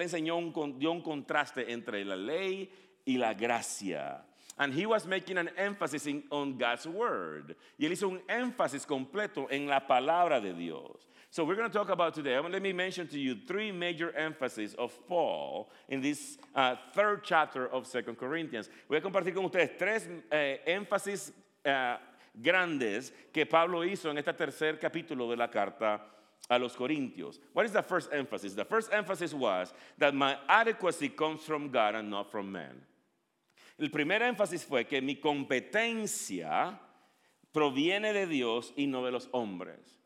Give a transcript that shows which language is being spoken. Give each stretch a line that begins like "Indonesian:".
Spanish: Él enseñó dio un contraste entre la ley y la gracia.
English: And he was making an emphasis on God's word.
Spanish: Y él hizo un énfasis completo en la palabra de Dios.
English: So we're going to talk about today. Let me mention to you three major emphases of Paul in this third chapter of 2 Corinthians.
Spanish: Voy a compartir con ustedes tres énfasis grandes que Pablo hizo en este tercer capítulo de la carta a los Corintios.
English: What is the first emphasis? The first emphasis was that my adequacy comes from God and not from men.
Spanish: El primer énfasis fue que mi competencia proviene de Dios y no de los hombres.